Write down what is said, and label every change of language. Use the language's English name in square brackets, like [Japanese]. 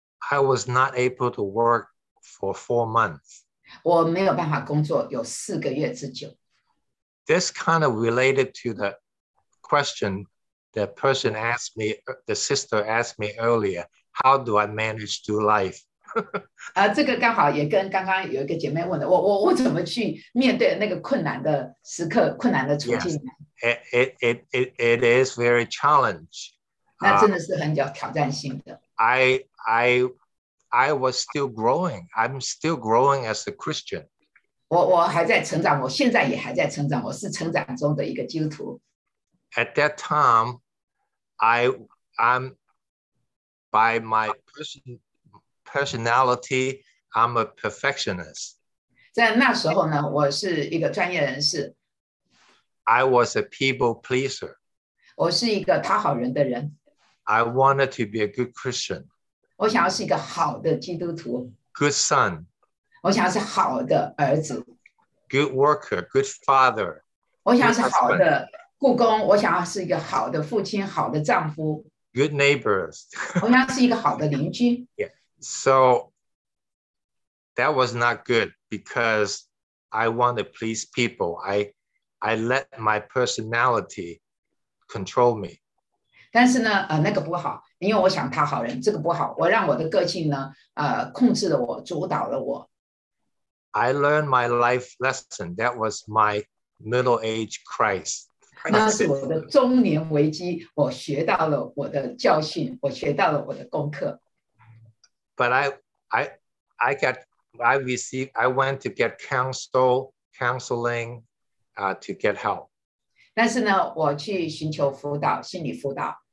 [English] I was not able to work for 4 months. [Chinese] 我没有办法工作，有四个月之久。 [English] This kind of related to the question that person asked me, the sister asked me earlier, how do I manage through life? [Chinese] 这个刚好也跟刚刚有一个姐妹问的，我怎么去面对那个困难的时刻，困难的处境 [English] ？Yes, it is very challenging. [Chinese] 那真的是很有挑战性的。 [English] I was still growing. I'm still growing as a Christian. [Chinese] 我还在成长，我现在也还在成长，我是成长中的一个基督徒。 [English] At that time, I'm by my personality, I'm a perfectionist. [Chinese] 在那时候呢，我是一个专业人士。 [English] I was a people pleaser. [Chinese] 我是一个讨好人的人。 [English] I wanted to be a good Christian. [Chinese] 我想要是一个好的基督徒 [English] ，good son。 [Chinese] 我想要是好的儿子 [English] ，good worker, good father。 [Chinese] 我想要是好的雇工，我想要是一个好的父亲，好的丈夫 [English] ，good neighbors。 [Chinese] 我想要是一个好的邻居。 [English] Yeah, so that was not good because I want to please people. I let my personality control me. [Chinese] 但是呢，那个不好，因为我想讨好人，这个不好，我让我的个性呢，控制了我，主导了我。 [English] I learned my life lesson. That was my middle age crisis. [Chinese] 那是我的中年危机，我学到了我的教训，我学到了我的功课。 [English] But I went to get counseling, to get help. [Chinese] 但是呢，我去寻求辅导，心理辅导。